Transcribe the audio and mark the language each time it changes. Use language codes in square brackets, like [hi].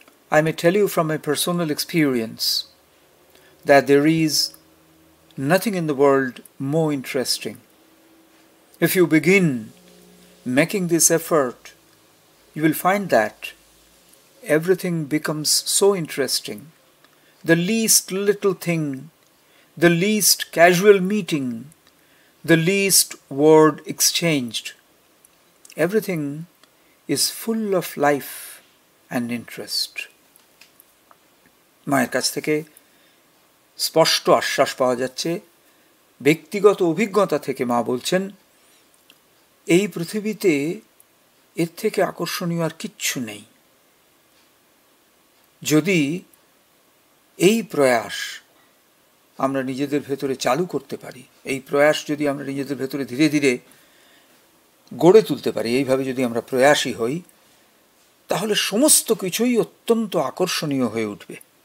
[en] I may tell you from my personal experience that there is nothing in the world more interesting. If you begin making this effort you will find that everything becomes so interesting. The least little thing, the least casual meeting, the least word exchanged, everything is full of life and interest. [bn] মায়ের কাছ থেকে স্পষ্ট আশ্বাস পাওয়া যাচ্ছে, ব্যক্তিগত অভিজ্ঞতা থেকে মা বলছেন, এই পৃথিবীতে এর থেকে আকর্ষণীয় আর কিচ্ছু নেই। যদি এই প্রয়াস আমরা নিজেদের ভেতরে চালু করতে পারি, এই প্রয়াস যদি আমরা নিজেদের ভেতরে ধীরে ধীরে গড়ে তুলতে পারি, এইভাবে যদি আমরা প্রয়াসী হই, তাহলে সমস্ত কিছুই অত্যন্ত আকর্ষণীয় হয়ে উঠবে।